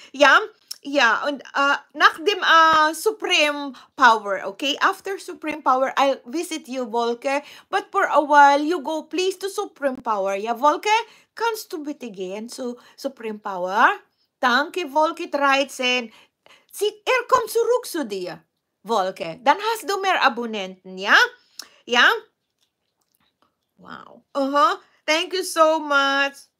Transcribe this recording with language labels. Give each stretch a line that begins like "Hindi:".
English: Yeah, yeah,
German: und nach dem Supreme Power, okay?
English: After Supreme Power, I'll visit you, Volke. But for a while, you go please to Supreme Power. Yeah,
German: Volke, kannst du bitte gehen zu Supreme Power? Danke, Volke 13. Sie, kommt zurück zu dir, Volke. Dann hast du mehr Abonnenten, ja?
English: Yeah? Ja? Yeah? Wow. Uh-huh. Thank you so much.